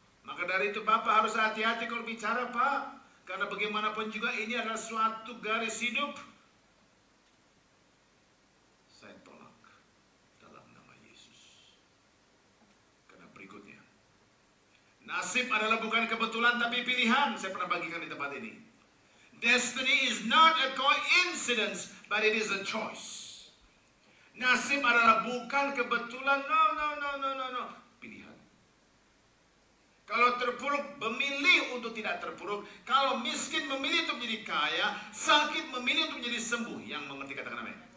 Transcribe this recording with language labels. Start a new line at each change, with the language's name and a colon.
Indonesian: Maka dari itu Bapak harus hati-hati kalau bicara, Pak. Karena bagaimanapun juga ini adalah suatu garis hidup. Saya tolak dalam nama Yesus. Karena berikutnya. Nasib adalah bukan kebetulan tapi pilihan. Saya pernah bagikan di tempat ini.
English: Destiny is not a coincidence, but it is a choice.
Indonesian: Nasib adalah bukan kebetulan. No. Pilihan. Kalau terpuruk, memilih untuk tidak terpuruk. Kalau miskin, memilih untuk menjadi kaya. Sakit, memilih untuk menjadi sembuh. Yang mengerti katakan amin.